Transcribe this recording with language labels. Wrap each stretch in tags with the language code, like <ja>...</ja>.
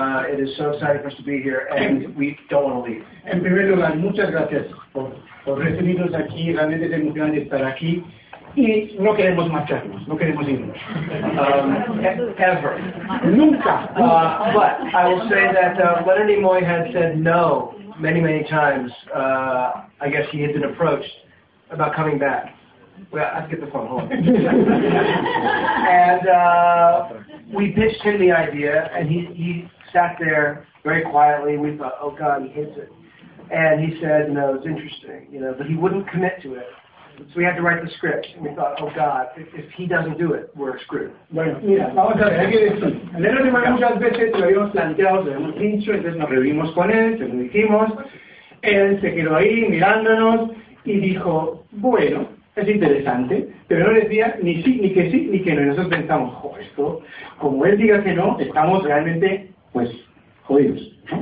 <en>It is so exciting for us to be here, and we don't want to leave.</en> <es>En primer lugar, muchas gracias por recibirnos aquí. Realmente es emocionante estar aquí. Y no queremos marcharnos, no queremos irnos.</es> <en>Ever.</en> <es>Nunca.</es> <en>But I will say that Leonard Nimoy had said no many, many times. I guess he had been approached about coming back. Well, I'll get the phone home. And we pitched him the idea, and he sat there very quietly, and we thought, oh, God, he hates it. And he said, no, it's interesting, you know, but he wouldn't commit to it. So we had to write the script, and we thought, oh, God, if he doesn't do it, we're screwed.</en> <es>Bueno, mira, vamos a ver, hay que decir. Leonard muchas veces lo habíamos planteado, lo habíamos dicho, entonces nos reunimos con él, se lo dijimos, él se quedó ahí mirándonos, y dijo, bueno, es interesante, pero no les diga ni sí, ni que sí, ni que no. Y nosotros pensamos, joder, esto, como él diga que no, estamos realmente, pues, jodidos.</es>